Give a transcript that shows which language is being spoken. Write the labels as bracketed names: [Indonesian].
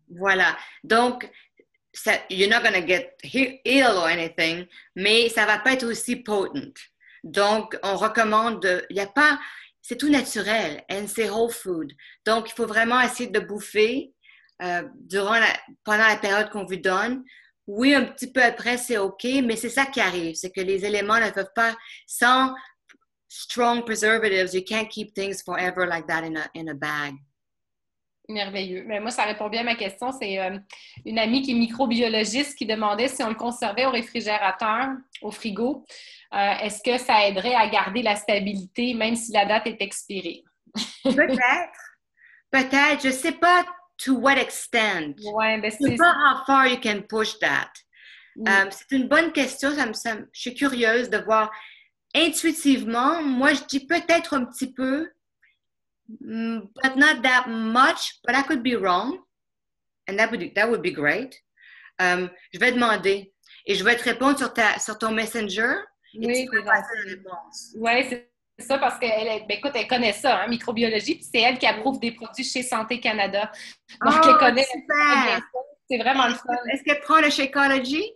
[French] Voilà. Donc, ça, [English] you're not going to get ill or anything, [French] mais ça ne va pas être aussi potent. Donc, on recommande de... Il n'y a pas... C'est tout naturel. [English] And [French] c'est [English] whole food. [French] Donc, il faut vraiment essayer de bouffer pendant la période qu'on vous donne. Oui, un petit peu après, c'est OK, mais c'est ça qui arrive. C'est que les éléments ne peuvent pas... Sans [English] strong preservatives, you can't keep things forever like that in a bag. [French] Merveilleux. Mais moi, ça répond bien à ma question. C'est une amie qui est microbiologiste qui demandait si on le conservait au réfrigérateur, au frigo, est-ce que ça aiderait à garder la stabilité même si la date est expirée? Peut-être. Peut-être. Je ne sais pas [English] to what extent. [French] Ouais, ben c'est... Je ne sais pas [English] how far you can push that. [French] Oui. C'est une bonne question. Je suis curieuse de voir. Intuitivement, moi, je dis peut-être un petit peu. [English] But not that much, but I could be wrong, and that would be great. [French] Je vais demander et je vais te répondre sur ton messenger. Oui, c'est ça. C'est ça parce qu'elle, ben écoute, elle connaît ça, hein, microbiologie, puis c'est elle qui approuve des produits chez Santé Canada. Donc, oh, elle connaît. Super. C'est vraiment le fun. Est-ce qu'elle prend le Shakeology?